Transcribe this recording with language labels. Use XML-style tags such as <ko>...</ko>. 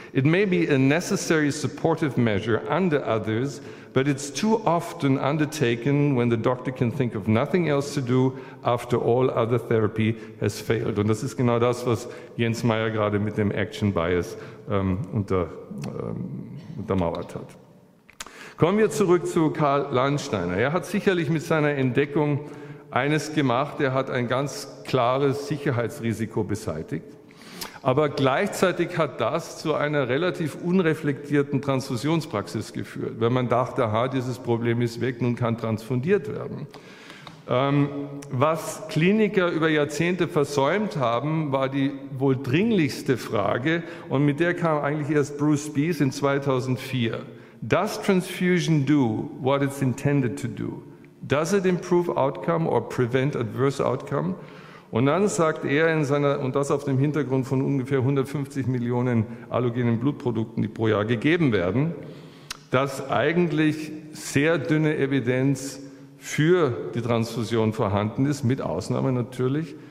<en>It may be a necessary supportive measure under others, but it's too often undertaken when the doctor can think of nothing else to do after all other therapy has failed.</en> <de>Und das ist genau das, was Jens Meyer gerade mit dem Action Bias untermauert hat. Kommen wir zurück zu Karl Landsteiner. Er hat sicherlich mit seiner Entdeckung eines gemacht, er hat ein ganz klares Sicherheitsrisiko beseitigt. Aber gleichzeitig hat das zu einer relativ unreflektierten Transfusionspraxis geführt, weil man dachte, aha, dieses Problem ist weg, nun kann transfundiert werden. Was Kliniker über Jahrzehnte versäumt haben, war die wohl dringlichste Frage, und mit der kam eigentlich erst Bruce Beese in 2004.</de> <en>Does transfusion do what it's intended to do? Does it improve outcome or prevent adverse outcome?</en> <de>Und dann sagt er in seiner, und das auf dem Hintergrund von ungefähr 150 Millionen allogenen Blutprodukten, die pro Jahr gegeben werden, dass eigentlich sehr dünne Evidenz für die Transfusion vorhanden ist, mit Ausnahme natürlich.</de>